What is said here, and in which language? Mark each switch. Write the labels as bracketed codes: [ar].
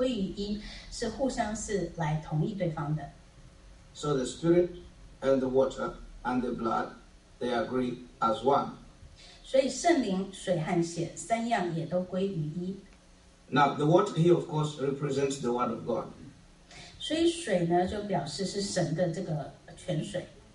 [zh] 就算是圣灵呢,也要来为这一切做见证,所以圣灵,水和血,他们三个是归于一,是互相是来同意对方的。 [en] So the Spirit and the water and the blood, they agree as one. [zh] 所以圣灵,水和血,三样也都归于一。 [en] Now, the water here, of course, represents the Word of God. [zh] 所以水呢,就表示是神的这个泉水。